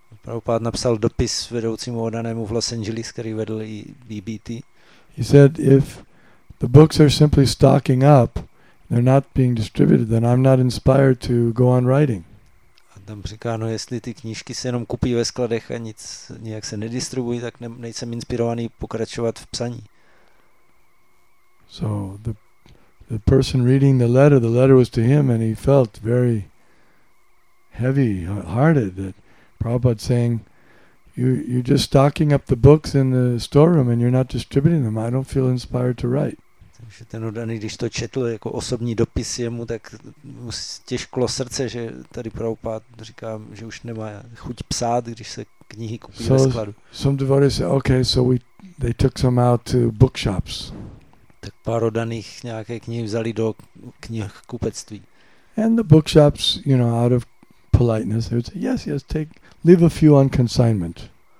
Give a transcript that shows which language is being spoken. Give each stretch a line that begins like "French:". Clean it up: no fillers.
Czech: Prabhupád napsal dopis vedoucímu oddanému v Los Angeles, který vedl i BBT.
English: He said, if the books are simply stocking up, they're not being distributed, then I'm not inspired to go on writing.
Czech: A tam říká, no jestli ty knížky se jenom kupí ve skladech a nic nějak se nedistribují, tak nejsem inspirovaný pokračovat v psaní.
English: So the person reading the letter was to him, and he felt very heavy-hearted that Prabhupada saying, you're just stocking up the books in the storeroom and you're not distributing them. I don't feel inspired to write.
Czech: Takže ten oddaný, když to četl jako osobní dopis jemu, tak mu stěžklo srdce, že tady Prabhupád říká, že už nemá chuť psát, když se knihy kupí
English: so
Czech: ve skladu.
English: Some devotees say, okay, so they took some out to bookshops.
Czech: Tak pár oddaných nějaké knihy vzali do knihkupectví.
English: And the bookshops, you know, out of politeness, they would say, yes, yes, take, leave a few on consignment.